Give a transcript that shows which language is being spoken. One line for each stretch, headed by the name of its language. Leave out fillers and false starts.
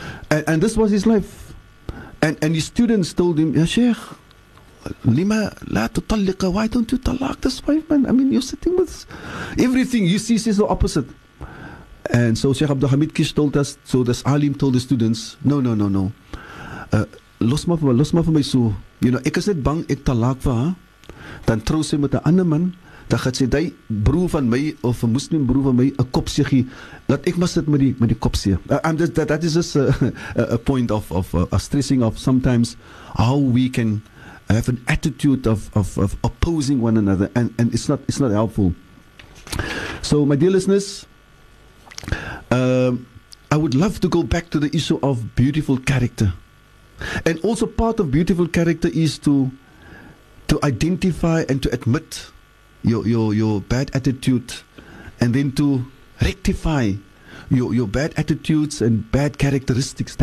English: And this was his life. And his students told him, ya Sheikh,
Arabic: Lima la tutalliqa,
English: why don't you talak this wife, man? I mean, you're sitting with everything you see is the opposite. And so Sheikh Abdul Hamid Kish told us, so this alim told the students, no.
Afrikaans: Los ma van my so.
English: You know,
Afrikaans: ek is net bang ek talak vir haar, dan trou sy met 'n ander man, dan gaat sy die broer van my of 'n moslim broer van my 'n kop se gee. Laat ek maar sit met die kop se.
English: That is just a point of a stressing of sometimes how we can have an attitude of opposing one another, and it's not helpful. So, my dear listeners, I would love to go back to the issue of beautiful character, and also part of beautiful character is to identify and to admit your bad attitude, and then to rectify your bad attitudes and bad characteristics.